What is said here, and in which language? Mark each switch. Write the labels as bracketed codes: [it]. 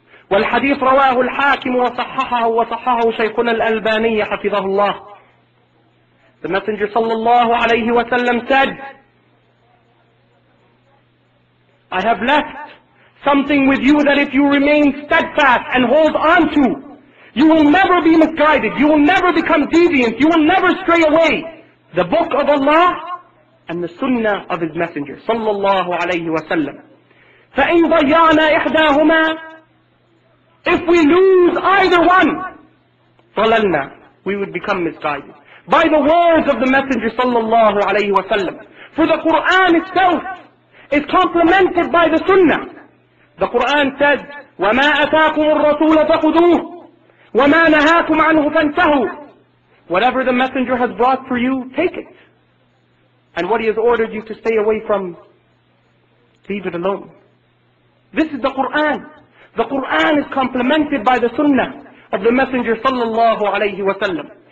[ar] والحديث رواه الحاكم وصححه شيخنا الألباني حفظه الله. النبي صلى الله عليه وسلم [en] said, I have left something with you that if you remain steadfast and hold on to, you will never be misguided, you will never become deviant, you will never stray away. The book of Allah and the sunnah of his messenger صلى الله عليه وسلم. [ar] فإن ضيعنا إحداهما, [en] if we lose either one, [ar] ضللنا, [en] we would become misguided. By the words of the messenger صلى الله عليه وسلم. For the Quran itself is complemented by the sunnah. The Quran says, [ar] وما أتاكم الرسول فخذوه وما نهاكم عنه فانتهوا. [en] Whatever the messenger has brought for you, take it. And what he has ordered you to stay away from, leave it alone. This is the Quran. The Quran is complemented by the sunnah of the messenger sallallahu alayhi wa sallam.